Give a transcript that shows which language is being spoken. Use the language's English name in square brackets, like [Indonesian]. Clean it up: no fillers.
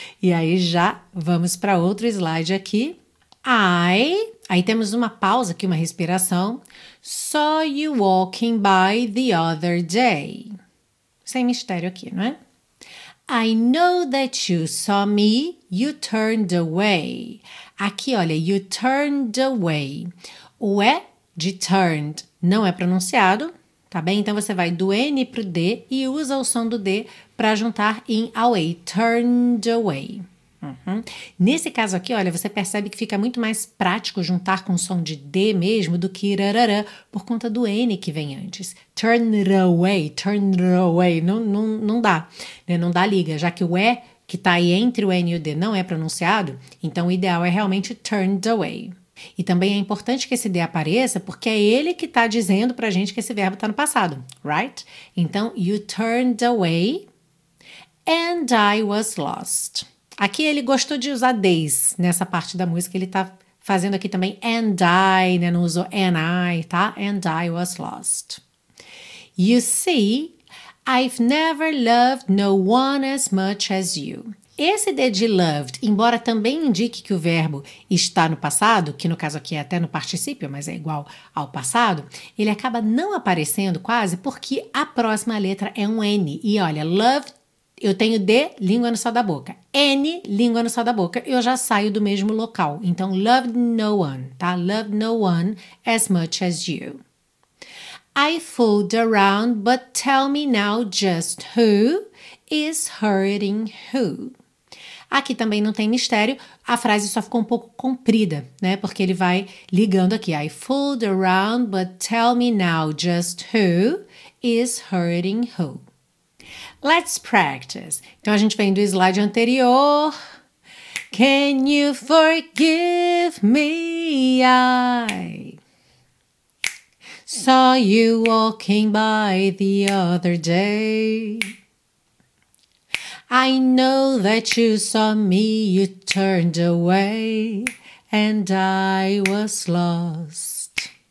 [Portuguese] E aí já vamos para outro slide aqui. Aí temos uma pausa aqui, uma respiração. [English] Saw you walking by the other day. [Portuguese] Sem mistério aqui, não é? [English] I know that you saw me, you turned away. [Portuguese] Aqui, olha, [English] you turned away. [Portuguese] O E de turned não é pronunciado, tá bem? Então, você vai do N pro D e usa o som do D para juntar em away, [English] turned away. [Portuguese] Nesse caso aqui, olha, você percebe que fica muito mais prático juntar com o som de D mesmo do que irarará, por conta do N que vem antes. [English] Turn away, [Portuguese] não dá, né? Não dá liga, já que o E que está aí entre o N e o D não é pronunciado, então o ideal é realmente [English] turned away. [Portuguese] E também é importante que esse D apareça, porque é ele que está dizendo para a gente que esse verbo está no passado, [English] right? [Portuguese] Então, [English] you turned away and I was lost. [Portuguese] Aqui ele gostou de usar days nessa parte da música, ele está fazendo aqui também [English] and I, [Portuguese] né? Não usou and I, tá? [English] And I was lost. You see, I've never loved no one as much as you. [Portuguese] Esse D de loved, embora também indique que o verbo está no passado, que no caso aqui é até no particípio, mas é igual ao passado, ele acaba não aparecendo quase porque a próxima letra é um N. E olha, loved, eu tenho D, língua no céu da boca. N, língua no céu da boca, eu já saio do mesmo local. [English] Então, loved no one, tá? Loved no one as much as you. I fooled around, but tell me now just who is hurting who. [Portuguese] Aqui também não tem mistério, a frase só ficou um pouco comprida, né? Porque ele vai ligando aqui. [English] I fooled around, but tell me now just who is hurting who. Let's practice. [Portuguese] Então a gente vem do slide anterior. [English] Can you forgive me? I saw you walking by the other day. I know that you saw me, you turned away, and I was lost.